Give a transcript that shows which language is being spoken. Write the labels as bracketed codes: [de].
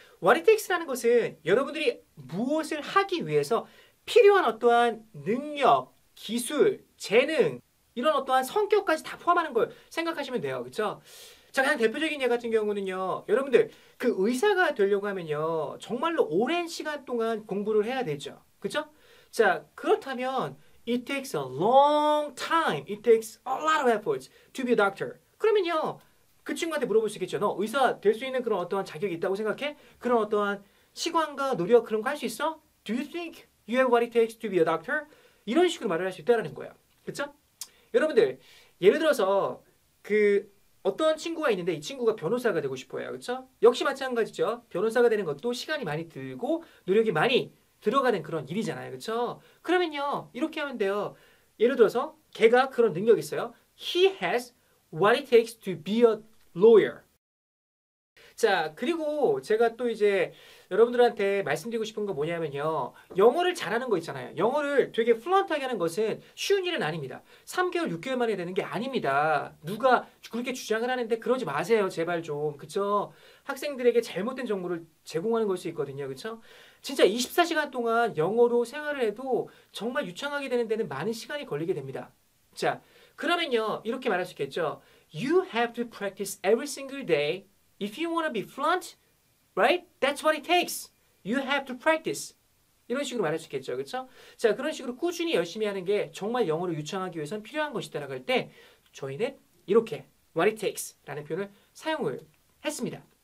[en] What it takes [ko] 라는 것은 여러분들이 무엇을 하기 위해서 필요한 어떠한 능력, 기술, 재능, 이런 어떠한 성격까지 다 포함하는 걸 생각하시면 돼요. 그쵸? 자, 가장 대표적인 예 같은 경우는요. 여러분들, 그 의사가 되려고 하면요. 정말로 오랜 시간 동안 공부를 해야 되죠. 그쵸? 자, 그렇다면 [en] It takes a long time. It takes a lot of efforts to be a doctor. [ko] 그러면요. 그 친구한테 물어볼 수 있겠죠. 너 의사 될 수 있는 그런 어떠한 자격이 있다고 생각해? 그런 어떠한 시간과 노력 그런 거 할 수 있어? [en] Do you think you have what it takes to be a doctor? [ko] 이런 식으로 말을 할 수 있다는 거예요. 그쵸? 여러분들, 예를 들어서 그 어떤 친구가 있는데 이 친구가 변호사가 되고 싶어요. 그쵸? 역시 마찬가지죠. 변호사가 되는 것도 시간이 많이 들고 노력이 많이 들어가는 그런 일이잖아요. 그쵸? 그러면요. 이렇게 하면 돼요. 예를 들어서 걔가 그런 능력이 있어요. [en] He has what it takes to be a lawyer. [ko] 자, 그리고 제가 또 이제 여러분들한테 말씀드리고 싶은 건 뭐냐면요. 영어를 잘하는 거 있잖아요. 영어를 되게 플루언트하게 하는 것은 쉬운 일은 아닙니다. 3개월, 6개월 만에 되는 게 아닙니다. 누가 그렇게 주장을 하는데 그러지 마세요. 제발 좀. 그쵸? 학생들에게 잘못된 정보를 제공하는 걸 수 있거든요. 그쵸? 진짜 24시간 동안 영어로 생활을 해도 정말 유창하게 되는 데는 많은 시간이 걸리게 됩니다. 자, 그러면요. 이렇게 말할 수 있겠죠. [en] You have to practice every single day if you want to be fluent, right? That's what it takes. You have to practice. [ko] 이런 식으로 말할 수 있겠죠. 그렇죠? 자, 그런 식으로 꾸준히 열심히 하는 게 정말 영어를 유창하기 위해서는 필요한 것이다라고 할 때 저희는 이렇게 [en] what it takes [ko] 라는 표현을 사용을 했습니다.